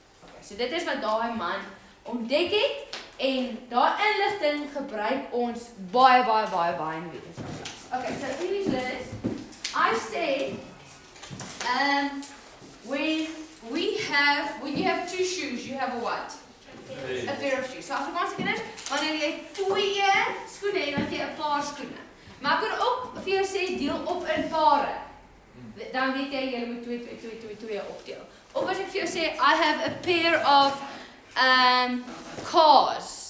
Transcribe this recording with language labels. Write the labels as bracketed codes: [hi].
[af] Okay, so dit is wat daai man ontdek het, en daai inligting gebruik ons baie in wetenskap. [en] Okay, so here's this. I said, when you have two shoes, you have a what? A pair of shoes. [af] So Afrikaans kinders, wanneer jy twee skoene het, dan het jy 'n paar skoene. Maar ek kan ook vir jou sê, deel op in pare. dan weet jy jy moet 2, 2, 2, 2, 2 opdeel. Of as ek vir jou sê, [en] I have a pair of cars.